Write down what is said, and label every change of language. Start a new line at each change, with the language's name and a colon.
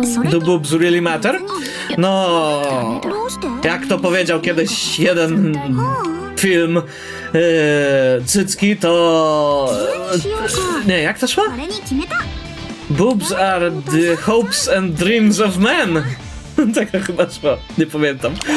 English: Do boobs really matter?
Polish: No, jak to powiedział kiedyś jeden film cycki, to... Nie, jak to szło?
English: Boobs are the hopes and dreams of men.
Polish: Tak to chyba szło, nie pamiętam.